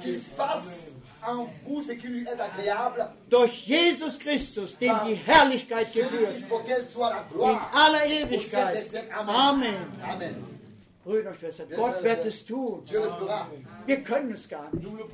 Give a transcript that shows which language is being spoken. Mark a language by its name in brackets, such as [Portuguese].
[French] qu'il [German] ist. [French] Fasse en vous ce qui lui est agréable, [German] durch Jesus Christus, dem die Herrlichkeit gebührt, in aller Ewigkeit. Amen. Amen. Brüder und Schwestern, Gott wird es tun. Wir können es gar nicht.